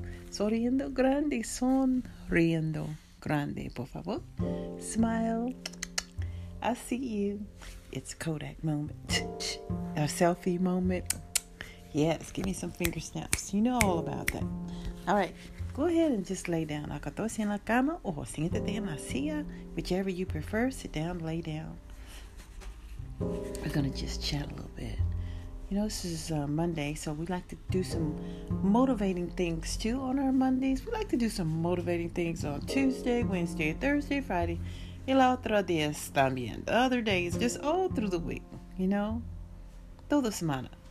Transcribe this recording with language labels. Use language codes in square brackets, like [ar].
[es] Sonriendo grande, sonriendo grande, por favor. [en] Smile. I see you. It's a Kodak moment. A selfie moment. Yes, give me some finger snaps. You know all about that. All right, go ahead and just lay down. [es] Acostarse en la cama o siéntate en la silla. [en] Whichever you prefer, sit down, lay down. We're going to just chat a little bit. You know, this is Monday, so we like to do some motivating things, too, on our Mondays. We like to do some motivating things on Tuesday, Wednesday, Thursday, Friday. [es] El otro día también. [en] The other days, just all through the week, you know. [es] Toda semana.